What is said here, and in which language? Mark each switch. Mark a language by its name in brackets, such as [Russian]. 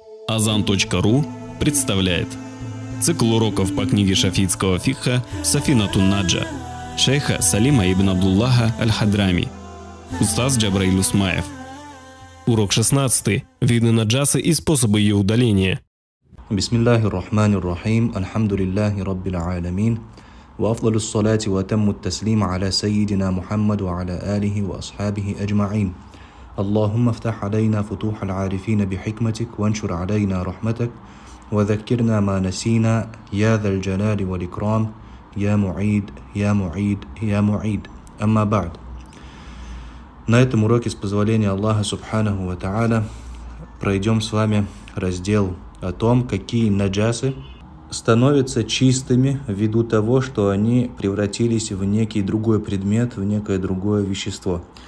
[Russian] Azan.ru представляет цикл уроков по книге шафиитского фикха Сафина Тунаджа шейха Салима ибн Абдуллаха Аль-Хадрами, устаз Джабраил Усмаев. Урок 16. Виды наджасы и способы ее удаления. [Arabic] Бисмиллахи ррахмани ррахим, альхамдулиллахи раббил аалямин, ва афдалу ссалати ва атамму ат-таслима аля сайидина Мухаммаду ва аля алихи ва асхабихи аджмаин. اللهم افتح علينا فتوح العارفين بحكمتك وانشر علينا رحمتك وذكرنا ما نسينا يا ذا الجلال والإكرام يا معيد يا معيد يا معيد. أما بعد, [Russian] на этом уроке, с позволения Аллаха Субханаху ва Тааля, пройдем с вами раздел о том, какие наджасы становятся чистыми ввиду того, что они превратились в некий другой предмет, в некое другое вещество.